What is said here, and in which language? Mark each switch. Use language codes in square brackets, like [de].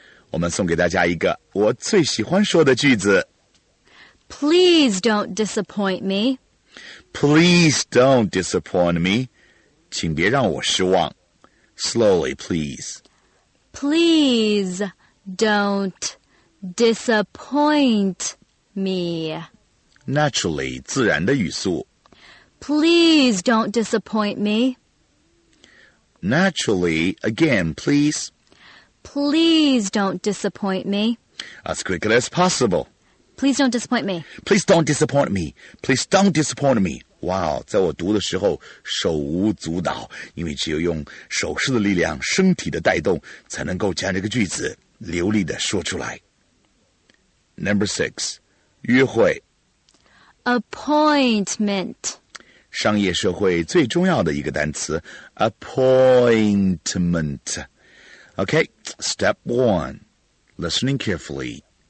[zh] 我们送给大家一个我最喜欢说的句子。 [en] Please don't disappoint me. Please don't disappoint me. [zh] 请别让我失望。 [en] Slowly, please. Please don't disappoint me. Naturally, [zh] 自然的语速。 [en] Please don't disappoint me. Naturally, again, please. Please don't disappoint me. As quickly as possible. Please don't disappoint me. Please don't disappoint me. Please don't disappoint me. Wow, [zh] 在我读的时候手无足蹈，因为只有用手势的力量，身体的带动，才能够将这个句子流利地说出来。 [en] Number six, [zh] 约会。 [en] Appointment. [zh] 商业社会最重要的一个单词 Appointment. [en] Okay, step one, listening carefully.